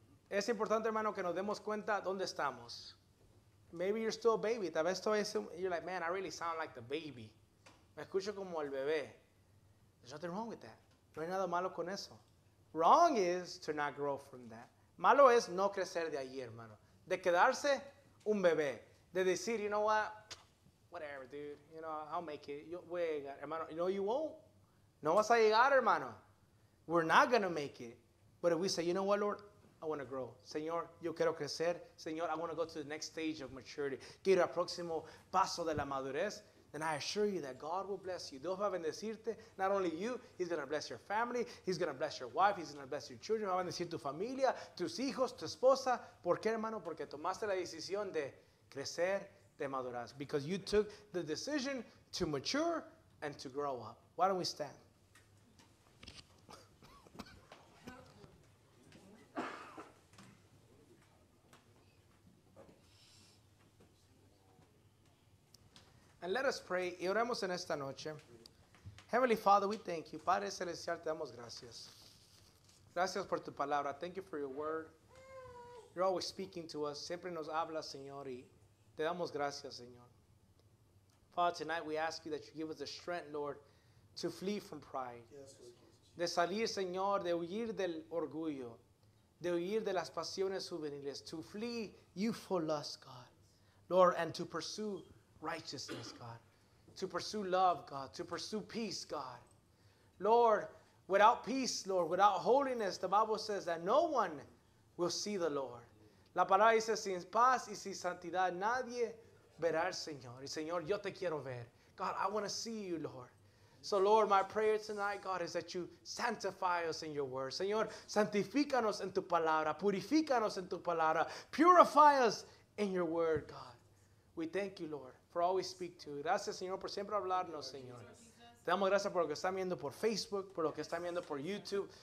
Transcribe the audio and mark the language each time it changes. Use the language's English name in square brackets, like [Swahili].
[Spanish] Es importante, hermano, que nos demos cuenta dónde estamos. [English] Maybe you're still a baby. [Spanish] Tal vez [English] you're like, man, I really sound like the baby. [Spanish] Me escucho como el bebé. [English] There's nothing wrong with that. [Spanish] No hay nada malo con eso. [English] Wrong is to not grow from that. [Spanish] Malo es no crecer de allí, hermano. De quedarse un bebé. De decir, [English] you know what? Whatever, dude. You know, I'll make it. [Spanish] Yo voy a llegar, hermano. [English] No, you won't. [Spanish] No vas a llegar, hermano. [English] We're not going to make it. But if we say, you know what, Lord? I want to grow. [Spanish] Señor, yo quiero crecer. [English] Señor, I want to go to the next stage of maturity. [Spanish] Quiero el próximo paso de la madurez. [English] Then I assure you that God will bless you. [Spanish] Dios va a bendecirte. [English] Not only you, he's going to bless your family. He's going to bless your wife. He's going to bless your children. [Spanish] Va a bendecir tu familia, tus hijos, tu esposa. ¿Por qué, hermano? Porque tomaste la decisión de crecer, de madurar. [English] Because you took the decision to mature and to grow up. Why don't we stand? And let us pray. [Spanish] Y oremos en esta noche. [English] Heavenly Father, we thank you. [Spanish] Padre Celestial, te damos gracias. Gracias por tu palabra. [English] Thank you for your word. You're always speaking to us. [Spanish] Siempre nos hablas, Señor. Y te damos gracias, Señor. [English] Father, tonight we ask you that you give us the strength, Lord, to flee from pride. Yes, Lord. [Spanish] De salir, Señor, de huir del orgullo. De huir de las pasiones juveniles. [English] To flee youthful lust, God. Lord, and to pursue righteousness, God, to pursue love, God, to pursue peace, God. Lord, without peace, Lord, without holiness, the Bible says that no one will see the Lord. [Spanish] La palabra dice, sin paz y sin santidad, nadie verá al Señor. Y Señor, yo te quiero ver. [English] God, I want to see you, Lord. So, Lord, my prayer tonight, God, is that you sanctify us in your word. [Spanish] Señor, santifícanos en tu palabra. Purifícanos en tu palabra. [English] Purify us in your word, God. We thank you, Lord, for always speak to you. [Spanish] Gracias, Señor, por siempre hablarnos, Señor. Te damos gracias por lo que están viendo por Facebook, por lo que están viendo por YouTube.